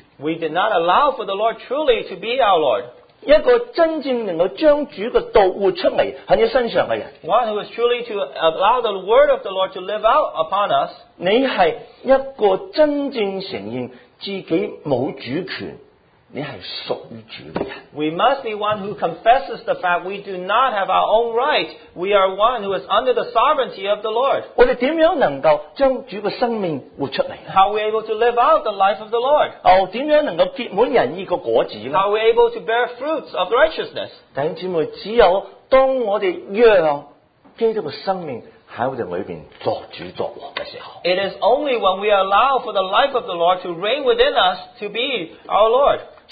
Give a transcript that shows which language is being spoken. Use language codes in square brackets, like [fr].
[en] We did not allow for the Lord truly to be our Lord. [zh] 一个真正能够将主的道活出来在你身上的人, [en] one who is truly to allow the word of the Lord to live out upon us, [zh] 你是一个真正承认自己没有主权, 你是属于主的人。 [en] We must be one who confesses the fact we do not have our own right. We are one who is under the sovereignty of the Lord. [zh] 我们怎样能够将主的生命活出来呢? [en] How are we able to live out the life of the Lord? [zh] 怎样能够结满仁义的果子呢? [en] How are we able to bear fruits of righteousness? [zh] 弟兄姊妹, 只有当我们让基督的生命 在我们里面作主作王的时候, [en] it is only when we allow for the life of the Lord to reign within us to be our Lord.